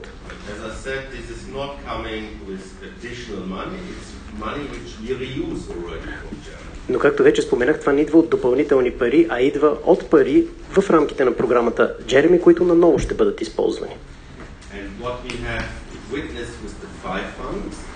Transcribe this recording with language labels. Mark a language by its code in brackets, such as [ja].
[en] As I said, this is not coming with additional money. It's money which we reuse already from Jeremy. [bg] Но както вече споменах, това не идва от допълнителни пари, а идва от пари в рамките на програмата Jeremy, които наново ще бъдат използвани. [en] And what we have witnessed with the five funds.